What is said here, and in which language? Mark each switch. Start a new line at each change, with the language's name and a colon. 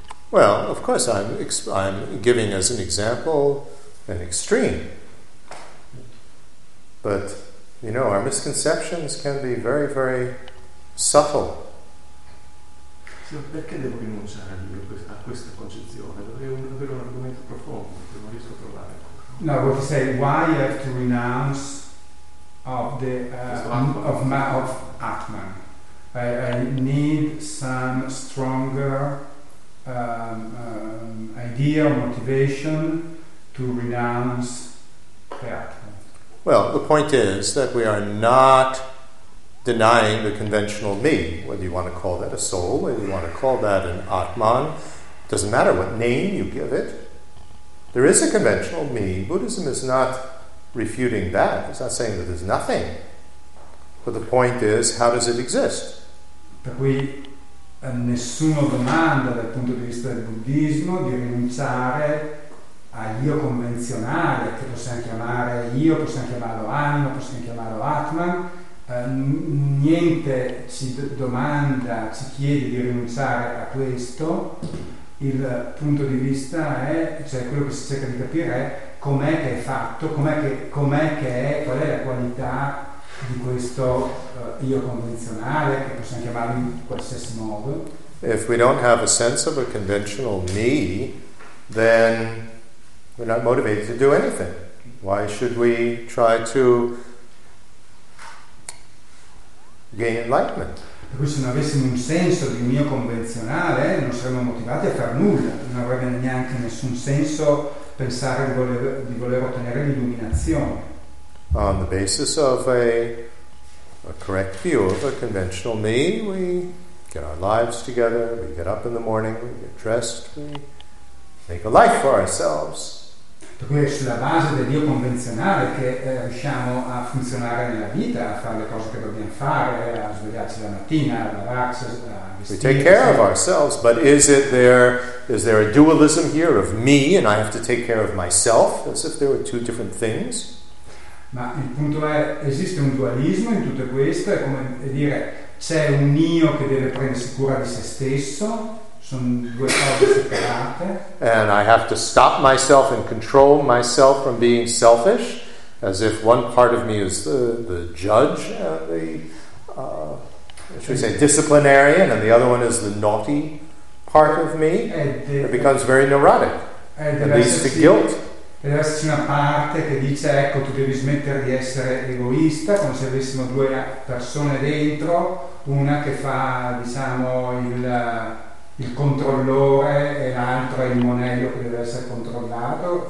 English: Well, of course, I'm giving as an example an extreme, but you know, our misconceptions can be very, very subtle.
Italian: Perché devo rinunciare a questa concezione? Dovrei avere un argomento profondo che non riesco a trovare.
English: No, what you say? Why you have to renounce of the of Atman? I need some stronger idea, motivation to renounce the Atman. Well, the point is that we are not denying the conventional me, whether you want to call that a soul, whether you want to call that an Atman. It doesn't matter what name you give it. There is a conventional me. Buddhism is not refuting that. It's not saying that there's nothing. But the point is, how does it exist?
Italian: Per cui nessuno domanda dal punto di vista del buddismo di rinunciare a io convenzionale, che possiamo chiamare io, possiamo chiamarlo anima, possiamo chiamarlo Atman. Niente ci domanda, ci chiede di rinunciare a questo. Il punto di vista è, cioè quello che si cerca di capire è com'è che è fatto, com'è che è, qual è la qualità di questo io convenzionale, che possiamo chiamarlo in qualsiasi modo.
English: If we don't have a sense of a conventional me, then we're not motivated to do anything. Why should we try to gain enlightenment?
Italian: Per cui se non avessimo un senso di mio convenzionale, non saremmo motivati a far nulla. Non avrebbe neanche nessun senso pensare di voler ottenere l'illuminazione.
English: On the basis of a correct view of a conventional me, we get our lives together, we get up in the morning, we get dressed, we make a life for ourselves.
Italian: Quindi sulla base del Dio convenzionale che riusciamo a funzionare nella vita, a fare le cose che dobbiamo fare, a svegliarci la mattina, a lavarsi, a vestirsi.
English: We take care of ourselves, but is there a dualism here of me and I have to take care of myself, as if there were two different things?
Italian: Ma il punto è, esiste un dualismo in tutto questo? È come dire, c'è un io che deve prendersi cura di se stesso?
English: And I have to stop myself and control myself from being selfish, as if one part of me is the judge and the should we say disciplinarian, and the other one is the naughty part of me. It becomes very neurotic. It leads to guilt.
Italian: Deve esserci una parte che dice, ecco, tu devi smettere di essere egoista, come se avessimo due persone dentro, una che fa, diciamo, il controllore e l'altro è il monello che deve essere controllato.